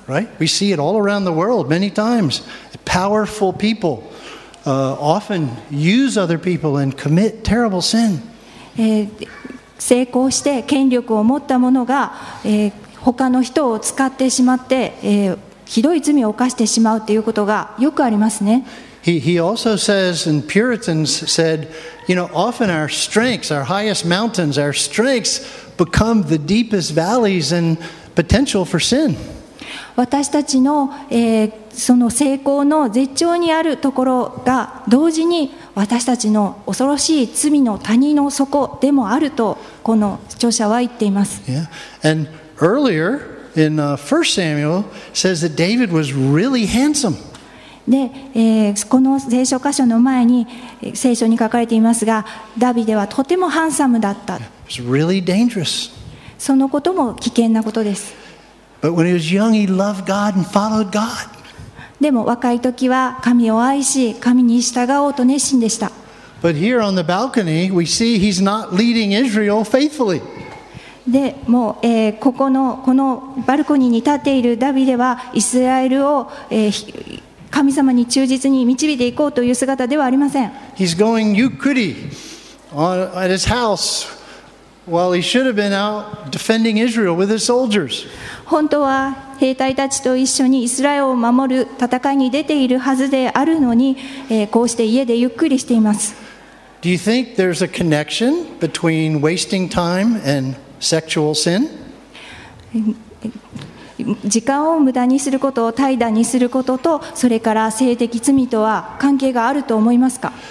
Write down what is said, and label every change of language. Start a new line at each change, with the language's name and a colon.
English: Right? We see it all around the world many times. powerful people often use other people and commit terrible sin.
Japanese: 成功して権力を持った者が、他の人を使ってしまって、ひどい罪を犯してしまうということがよくありますね。
English: He also says, and Puritans said, you know, often our strengths, our highest mountains, our strengths become the deepest valleys and potential for sin.
Japanese: 私たちの、その成功の絶頂にあるところが同時に私たちの恐ろしい罪の谷の底でもあるとこの著者は言っています。
English: Yeah. And earlier in 1 Samuel says that David was really handsome.
Japanese: で、この聖書箇所の前に聖書に書かれていますが、ダビデはとてもハンサムだった。
English: It's really dangerous.
Japanese: そのことも危険なことです。
English: But when he was young, he loved God and followed God.
Japanese: でも若い時は神を愛し、神に従おうと熱心でした。
English: But here on the balcony, we see he's not leading Israel faithfully.
Japanese: でもう、ここのこのバルコニーに立っているダビデはイスラエルを、神様に忠実に導いていこうという姿ではありません。
English: He's going Ukri at his house while he should have been out defending Israel with his soldiers.
Japanese: 本当は兵隊たちと一緒にイスラエルを守る戦いに出ているはずであるのに、こうして家でゆっくりしています。
English: Do you think there's a connection between wasting time and sexual sin?
Japanese: 時間を無駄にすることを怠惰にすることとそれから性的罪とは関係があると思いますか。